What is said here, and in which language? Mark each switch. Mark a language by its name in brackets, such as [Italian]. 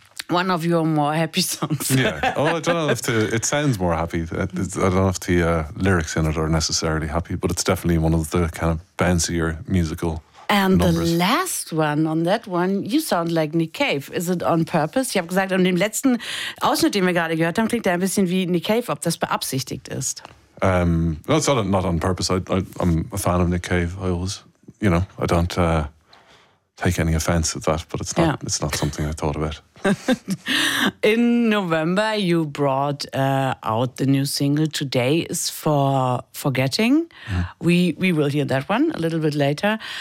[English] one of your more happy songs. Yeah. Oh, I don't know if it sounds more happy. I don't know if the lyrics in it are necessarily happy, but it's definitely one of the kind of bouncier musical And the last one on that one, you sound like Nick Cave. Is it on purpose? [German] Ich habe gesagt, in dem letzten Ausschnitt, den wir gerade gehört haben, klingt er ein bisschen wie Nick Cave, ob das beabsichtigt ist. [English] It's not on purpose. I'm a fan of Nick Cave. I always, you know, I don't take any offense at that, but it's not something I thought about. In November, you brought out the new single. Today is for Forgetting. Mm. We will hear that one a little bit later.